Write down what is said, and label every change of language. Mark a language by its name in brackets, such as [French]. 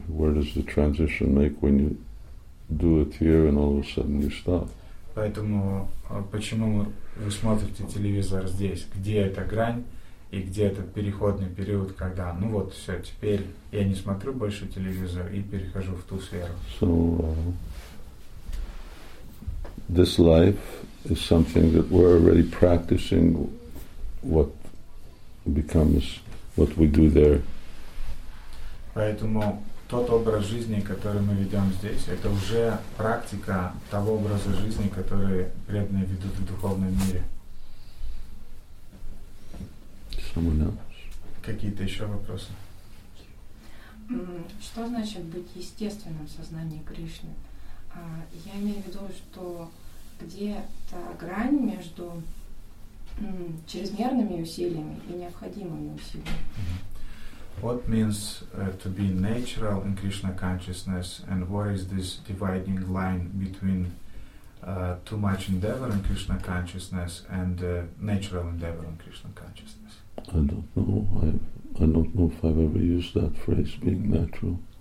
[English] Where does the transition make when you do it here and all of a sudden you stop? [Russian] Поэтому почему вы смотрите телевизор здесь? Где эта грань и где этот переходный период, когда, ну вот все, теперь я не смотрю больше телевизор и перехожу в ту сферу. [English] So this life is something that we're already practicing. What becomes what we do there. [Russian] Поэтому тот образ жизни, который мы ведем здесь, это уже практика того образа жизни, который преданные ведут в духовном мире. [English] Someone else. [Russian] Какие-то еще вопросы? Что значит быть естественным в сознании Кришны? Я имею в виду, что где-то грань между чрезмерными усилиями и необходимыми усилиями. [English] What means to be natural in Krishna consciousness and what is this dividing line between too much endeavor in Krishna consciousness and natural endeavor in Krishna consciousness? I don't know. I don't know if I've ever used that phrase, being natural.